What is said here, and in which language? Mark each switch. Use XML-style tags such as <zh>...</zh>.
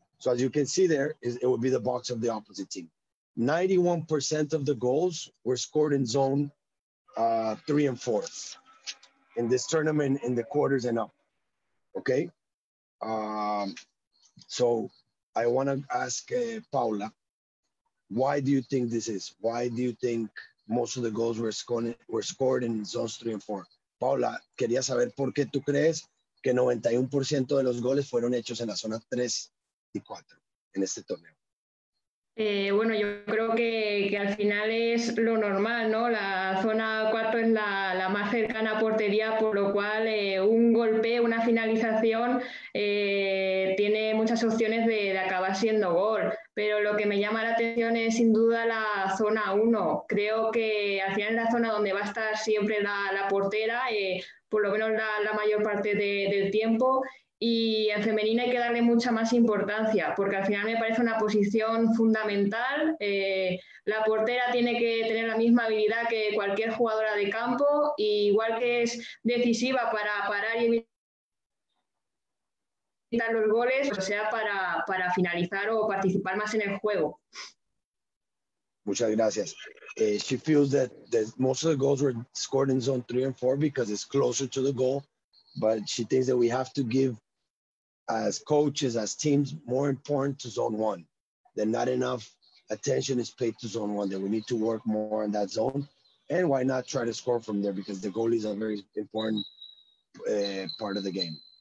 <en>So as you can see there, it would be the box of the opposite team. 91% of the goals were scored in zone three and four in this tournament in the quarters and up, okay? So I wanna ask Paula, why do you think this is? Why do you think most of the goals were scored in zones three and four?</en> <es>Paula, quería saber por qué tú crees que 91% de los goles fueron hechos en la zona 3 y 4 en este torneo. Bueno, yo creo que al final es lo normal, ¿no? La zona 4 es la más cercana a portería, por lo cual un golpe, una finalización, tiene mucho muchas opciones de acabar siendo gol, pero lo que me llama la atención es sin duda la zona 1. Creo que al final es la zona donde va a estar siempre la portera, por lo menos la mayor parte del tiempo, y en femenina hay que darle mucha más importancia, porque al final me parece una posición fundamental. La portera tiene que tener la misma habilidad que cualquier jugadora de campo, y igual que es decisiva para parar y evitar los goles, o sea, para finalizar o participar más en el juego. Muchas gracias.</es> <en>She feels that most of the goals were scored in zone 3 and 4 because it's closer to the goal, but she thinks that we have to give, as coaches, as teams, more important to zone 1, that not enough attention is paid to zone 1, that we need to work more in that zone, and why not try to score from there, because the goal is a very important part of the game.</en>